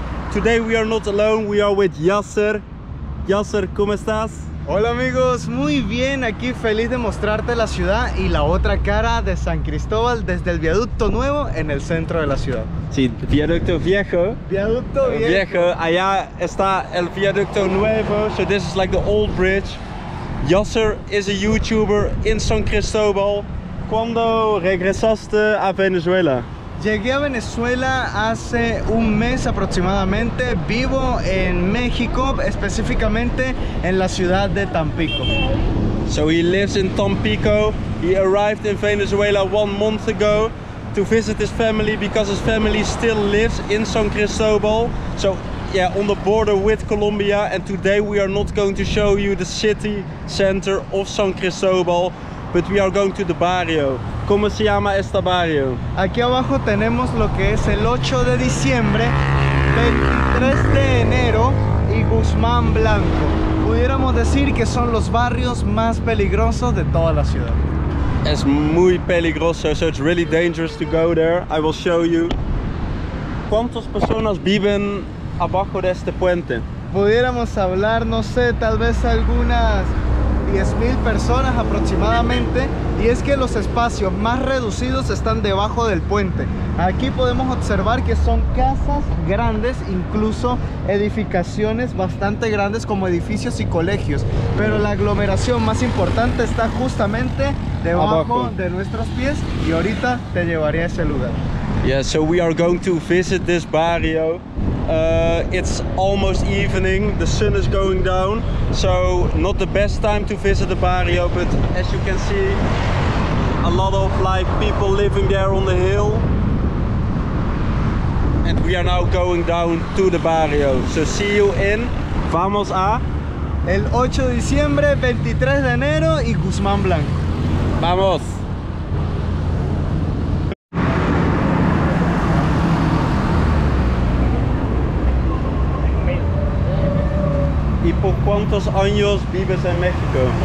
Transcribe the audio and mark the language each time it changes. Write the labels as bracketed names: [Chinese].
[English] Today we are not alone, we are with Yasser. [Spanish] Yasser, ¿cómo estás? Hola, amigos. Muy bien, aquí feliz de mostrarte la ciudad y la otra cara de San Cristobal desde el Viaducto Nuevo en el centro de la ciudad. Sí, Viaducto Viejo. Viaducto Viejo. Allá está el Viaducto Nuevo. [English] So this is like the old bridge. Yasser is a YouTuber in San Cristobal. [Spanish] ¿Cuándo regresaste a Venezuela? Llegué a Venezuela hace un mes aproximadamente. Vivo en México, específicamente en la ciudad de Tampico. [English] So he lives in Tampico. He arrived in Venezuela 1 month ago to visit his family because his family still lives in San Cristobal. So yeah, on the border with Colombia, and today we are not going to show you the city center of San Cristobal, but we are going to the barrio. [Spanish] ¿Cómo se llama este barrio? Aquí abajo tenemos lo que es el 8 de diciembre, 23 de enero y Guzmán Blanco. Pudiéramos decir que son los barrios más peligrosos de toda la ciudad. Es muy peligroso, [English] so it's really dangerous to go there. I will show you. [Spanish] ¿Cuántas personas viven abajo de este puente? Pudiéramos hablar, no sé, tal vez algunas 10,000 personas aproximadamente. Y es que los espacios más reducidos están debajo del puente. Aquí podemos observar que son casas grandes, incluso edificaciones bastante grandes como edificios y colegios. Pero la aglomeración más importante está justamente debajo abajo de nuestros pies. Y ahorita te llevaré a ese lugar. [English] Yeah, so we are going to visit this barrio. It's almost evening, the sun is going down, so not the best time to visit the barrio, but as you can see, a lot of like people living there on the hill, and we are now going down to the barrio, so see you in, [Spanish] vamos a, el 8 de diciembre, 23 de enero y Guzmán Blanco, vamos. ¿Y por cuántos años vives en México?